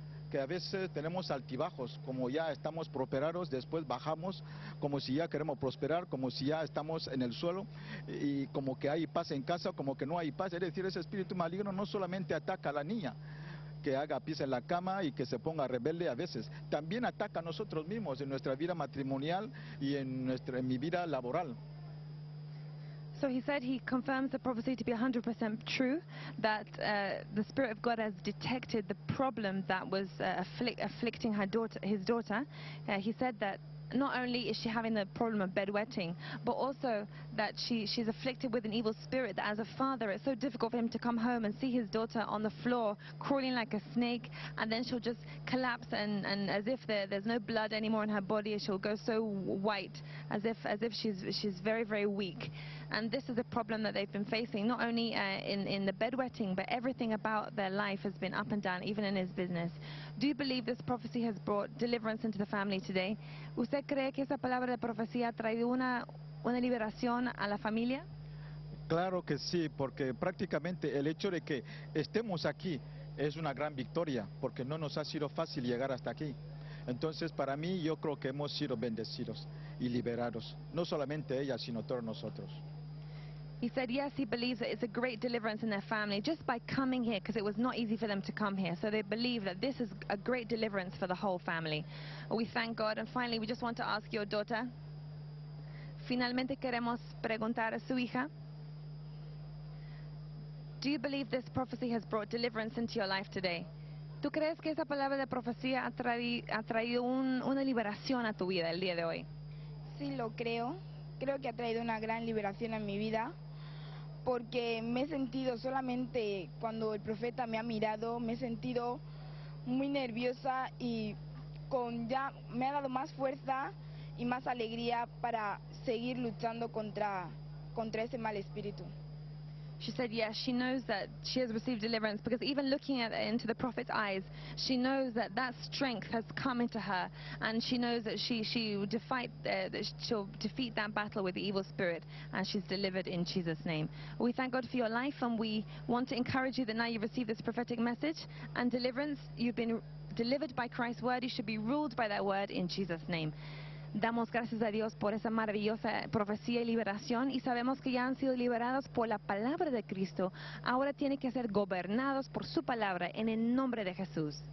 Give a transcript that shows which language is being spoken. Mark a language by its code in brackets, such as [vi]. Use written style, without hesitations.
[es] que a veces tenemos altibajos, como ya estamos prosperados, después bajamos, como si ya queremos prosperar, como si ya estamos en el suelo, y como que hay paz en casa, como que no hay paz. Es decir, ese espíritu maligno no solamente ataca a la niña, que haga pies en la cama y que se ponga rebelde a veces, también ataca a nosotros mismos en nuestra vida matrimonial y en mi vida laboral. [en] So he said he confirms the prophecy to be 100% true, that the Spirit of God has detected the problem that was afflicting her daughter, his daughter. He said that not only is she having the problem of bedwetting, but also that she's afflicted with an evil spirit, that as a father it's so difficult for him to come home and see his daughter on the floor crawling like a snake, and then she'll just collapse and as if there's no blood anymore in her body, she'll go so white as if she's very, very weak. And this is a problem that they've been facing, not only in the bedwetting, but everything about their life has been up and down, even in his business. Do you believe this prophecy has brought deliverance into the family today? [es] ¿Usted cree que esa palabra de profecía ha traído una liberación a la familia? Claro que sí, porque prácticamente el hecho de que estemos aquí es una gran victoria, porque no nos ha sido fácil llegar hasta aquí. Entonces, para mí, yo creo que hemos sido bendecidos y liberados, no solamente ella, sino todos nosotros. [en] He said, yes, he believes that it's a great deliverance in their family just by coming here, because it was not easy for them to come here. So they believe that this is a great deliverance for the whole family. We thank God. And finally, we just want to ask your daughter. [es] Finalmente queremos preguntar a su hija. [en] Do you believe this prophecy has brought deliverance into your life today? [es] ¿Tú crees que esa palabra de profecía ha traído una liberación a tu vida el día de hoy? Sí, lo creo. Creo que ha traído una gran liberación a mi vida. Porque me he sentido solamente, cuando el profeta me ha mirado, me he sentido muy nerviosa y ya me ha dado más fuerza y más alegría para seguir luchando contra ese mal espíritu. [en] She said, yes, she knows that she has received deliverance, because even looking into the prophet's eyes, she knows that that strength has come into her, and she knows that she'll defeat that battle with the evil spirit, and she's delivered in Jesus' name. We thank God for your life, and we want to encourage you that now you've received this prophetic message and deliverance. You've been delivered by Christ's word. You should be ruled by that word in Jesus' name. [es] Damos gracias a Dios por esa maravillosa profecía y liberación, y sabemos que ya han sido liberados por la palabra de Cristo. Ahora tienen que ser gobernados por su palabra en el nombre de Jesús.